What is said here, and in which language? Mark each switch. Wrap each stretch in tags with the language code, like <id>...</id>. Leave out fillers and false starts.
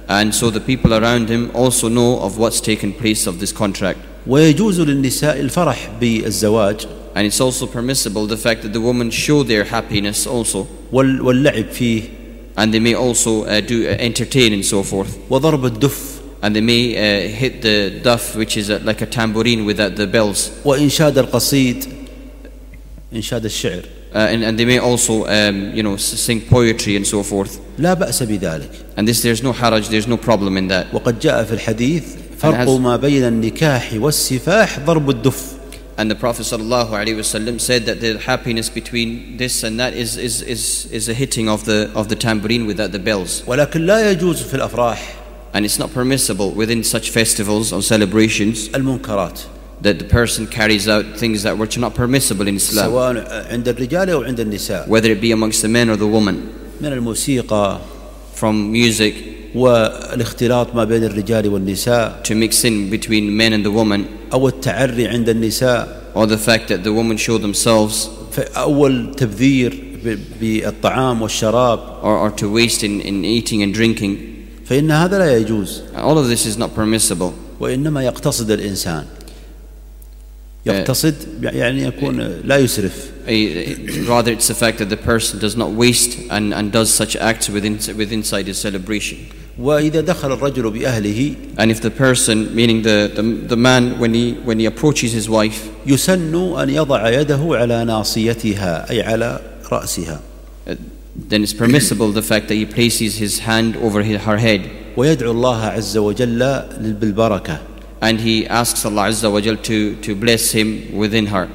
<en>And so the people around him also know of what's taken place of this contract.</en> <ar>ويجوز للنساء الفرح بالزواج.</ar> <en>And it's also permissible the fact that the woman show their happiness also.</en> <ar>واللعب فيه.</ar> <en>And they may also do entertain and so forth.</en> <ar>وضرب الدف.</ar> <en>And they may hit the duff, which is like a tambourine with the bells.</en> <ar>وإنشاد القصيد. إنشاد الشعر.</ar> <en>And they may also sing poetry and so forth.</en> <ar>لا بأس بذلك.</ar> <en>And this, there's no haraj, there's no problem in that.</en> <ar>وقد جاء في الحديث فرق ما بين النكاح والسفاح ضرب الدف.</ar> <en>And the Prophet sallallahu alaihi wasallam said that the happiness between this and that is a hitting of the tambourine without the bells.</en> <ar>ولكن لا يجوز في الأفراح.</ar> <en>And it's not permissible within such festivals or celebrations.</en> <ar>المنكرات.</ar> <en>That the person carries out things that were not permissible in Islam.</en> <ar>سواء عند الرجال أو عند النساء.</ar> <en>Whether it be amongst the men or the women.</en> <ar>من الموسيقى.</ar> <en>From music.</en> <ar>والاختلاط ما بين الرجال والنساء.</ar> <en>To mix in between men and the woman.</en> <ar>أو التعري عند النساء.</ar> <en>Or the fact that the woman show themselves.</en> <ar>فأول تبذير بالطعام والشراب.</ar> <en>Or to waste in eating and drinking.</en> <ar>فإن هذا لا يجوز.</ar> <en>All of this is not permissible.</en> <ar>وإنما يقتصد الإنسان. يقتصد يعني يكون لا يسرف.</ar> <en>Rather, it's the fact that the person does not waste and does such acts within his celebration.</en> <ar>وإذا دخل الرجل بأهله.</ar> <en>And if the person, meaning the man, when he approaches his wife.</en> <ar>يسن أن يضع يده على ناصيتها أي على رأسها.</ar> <en>Then it's permissible the fact that he places his hand over her head.</en> <ar>ويدعو الله عز وجل بالبركة.</ar> <en>And he asks Allah Azza wa Jal to bless him within her.</en>